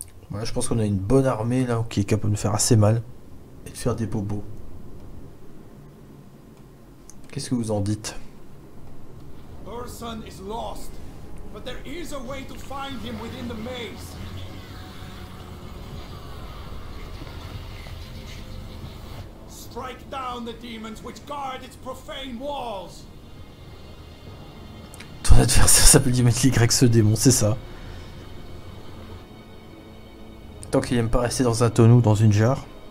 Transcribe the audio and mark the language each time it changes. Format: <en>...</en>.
<fr>Voilà, je pense qu'on a une bonne armée là qui est capable de faire assez mal et de faire des bobos. Qu'est-ce que vous en dites?</fr> <en>Ursun is lost. But there is a way to find him within the maze. Strike down the demons which guard its profane walls.</en> <fr>Ton adversaire s'appelle Dimitri Grec, ce démon, c'est ça. Tant qu'il aime pas rester dans un tonneau ou dans une jarre.</fr>